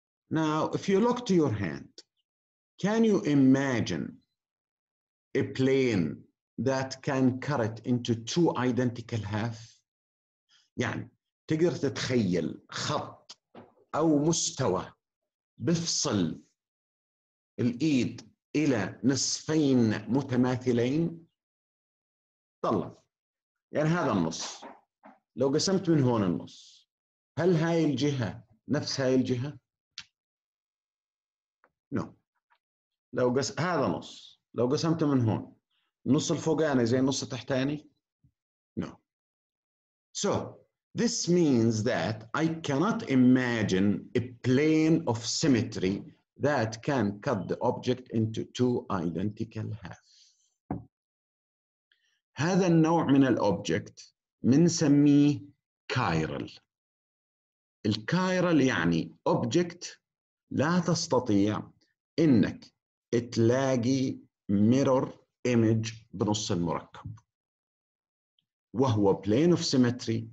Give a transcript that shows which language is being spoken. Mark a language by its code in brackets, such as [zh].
[en] Now, if you look to your hand, can you imagine a plane that can cut it into two identical halves? [ar] يعني تقدر تتخيل خط أو مستوى بفصل الإيد إلى نصفين متماثلين؟ طلع. يعني هذا النص. لو قسمت من هون النص، هل هاي الجهة نفس هاي الجهة؟ No. لو هذا نص لو قسمته من هون نص الفوقاني زي النص التحتاني No. [en] So this means that I cannot imagine a plane of symmetry that can cut the object into two identical halves. [ar] هذا النوع من الأوبجكت بنسميه كايرل. الكايرل يعني أوبجكت لا تستطيع إنك تلاقي mirror image بنص المركب وهو plane of symmetry.